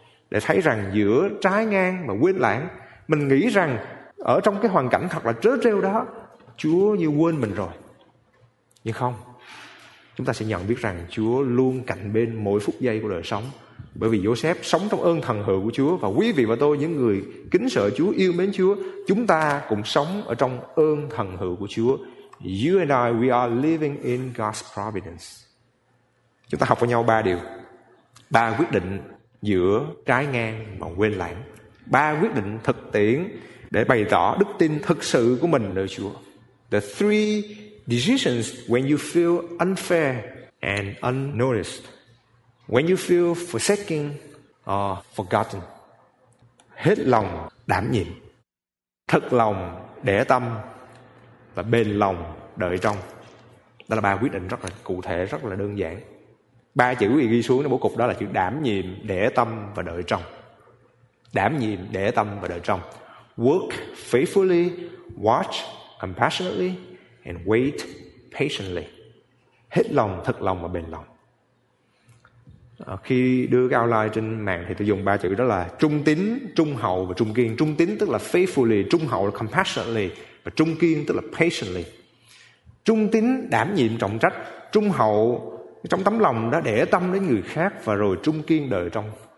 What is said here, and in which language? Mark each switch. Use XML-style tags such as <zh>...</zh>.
<vi>Để thấy rằng giữa trái ngang và quên lãng, mình nghĩ rằng ở trong cái hoàn cảnh thật là trớ trêu đó, Chúa như quên mình rồi. Nhưng không, chúng ta sẽ nhận biết rằng Chúa luôn cạnh bên mỗi phút giây của đời sống. Bởi vì Joseph sống trong ơn thần hữu của Chúa, và quý vị và tôi, những người kính sợ Chúa, yêu mến Chúa, chúng ta cũng sống ở trong ơn thần hữu của Chúa.</vi> <en>You and I, we are living in God's providence.</en> <vi>Chúng ta học với nhau ba điều. Ba quyết định giữa trái ngang và quên lãng. Ba quyết định thực tiễn để bày tỏ đức tin thực sự của mình nơi Chúa.</vi> <en>The three decisions when you feel unfair and unnoticed, when you feel forsaken or forgotten.</en> <vi>Hết lòng đảm nhiệm, thật lòng để tâm, và bền lòng đợi trông. Đó là ba quyết định rất là cụ thể, rất là đơn giản. Ba chữ quý vị ghi xuống trong bố cục đó là chữ đảm nhiệm, để tâm và đợi trông. Đảm nhiệm, để tâm và đợi trông.</vi> <en>Work faithfully, watch compassionately, and wait patiently.</en> <vi>Hết lòng, thật lòng và bền lòng. Khi đưa cái outline trên mạng thì tôi dùng ba chữ đó là trung tín, trung hậu và trung kiên. Trung tín tức là faithfully, trung hậu là compassionately, và trung kiên tức là patiently. Trung tín đảm nhiệm trọng trách, trung hậu trong tấm lòng đã để tâm đến người khác, và rồi trung kiên đời trong.</vi>